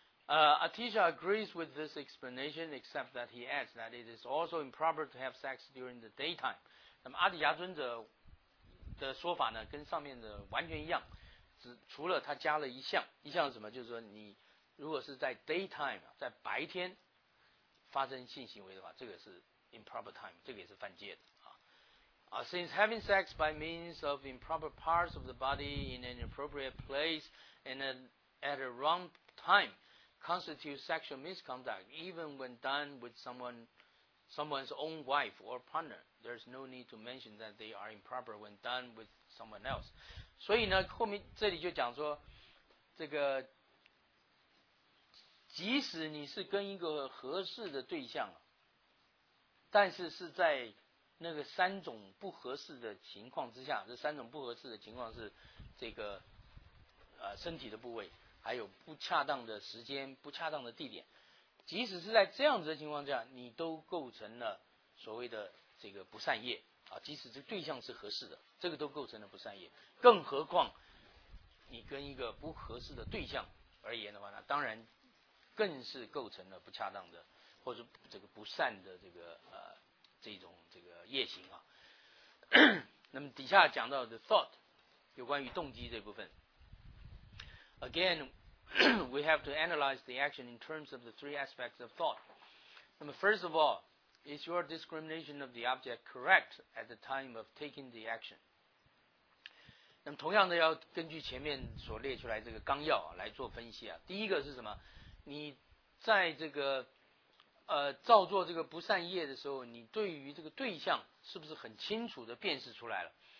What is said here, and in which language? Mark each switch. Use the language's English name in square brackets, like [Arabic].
[English] Atisha agrees with this explanation, except that he adds that it is also improper to have sex during the daytime. [Chinese] 那么阿底峡尊者的说法呢，跟上面的完全一样。除了他加了一项是什么，就是说你如果是在 daytime 在白天发生性行为的话，这个是 improper time， 这个也是犯戒的啊。 [English] Since having sex by means of improper parts of the body in an inappropriate place and at a wrong time constitutes sexual misconduct even when done with someone's own wife or partner there's no need to mention that they are improper when done with someone else。 [Chinese] 所以呢，后面这里就讲说，这个即使你是跟一个合适的对象，但是是在那个三种不合适的情况之下，这三种不合适的情况是这个身体的部位，还有不恰当的时间、不恰当的地点，即使是在这样子的情况下，你都构成了所谓的这个不善业。啊，即使这对象是合适的，这个都构成了不善业，更何况你跟一个不合适的对象而言的话，那当然更是构成了不恰当的或者这个不善的这个这种这个业行啊。那么底下讲到的 thought， 有关于动机这部分。 [English] Again, we have to analyze the action in terms of the three aspects of thought. [Chinese] 那么 [English] first of all。 Is your discrimination of the object correct at the time of taking the action? [Chinese] 那么同样的要根据前面所列出来这个纲要、啊、来做分析啊。第一个是什么？你在这个造作这个不善业的时候，你对于这个对象是不是很清楚的辨识出来了？